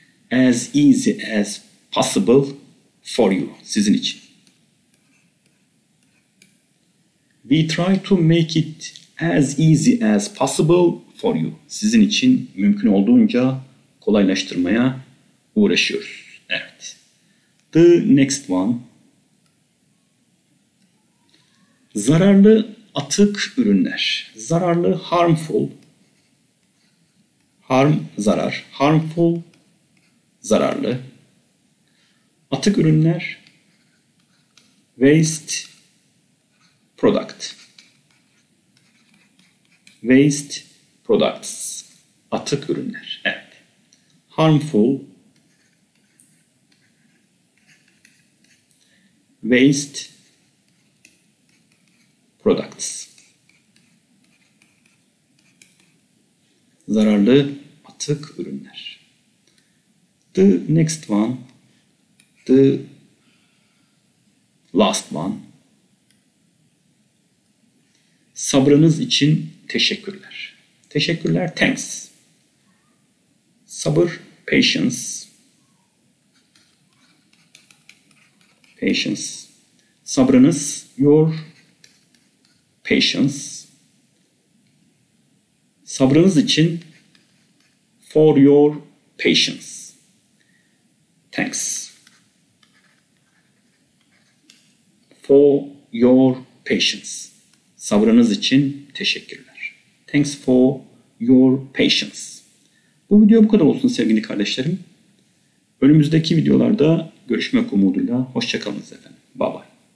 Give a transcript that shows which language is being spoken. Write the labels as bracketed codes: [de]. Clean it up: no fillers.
[en] as easy as possible for you, [tr] sizin için. [en] We try to make it as easy as possible for you, [tr] sizin için mümkün olduğunca kolaylaştırmaya uğraşıyoruz. Evet. [en] The next one. [tr] Zararlı atık ürünler. Zararlı, harmful. Harm, zarar. Harmful, zararlı. Atık ürünler, [en] waste product. Waste products, [tr] atık ürünler. Evet. [en] Harmful, waste products. [tr] Zararlı atık ürünler. [en] The next one, the last one. [tr] Sabrınız için teşekkürler. Teşekkürler, thanks. Sabır, patience. [en] patience. Sabrınız, your patience. [tr] Sabrınız için, [en] for your patience. Thanks. For your patience. [tr] Sabrınız için teşekkürler. [en] Thanks for your patience. [tr] Bu video bu kadar olsun sevgili kardeşlerim. Önümüzdeki videolarda görüşmek umuduyla. Hoşça kalın efendim. Bye bye.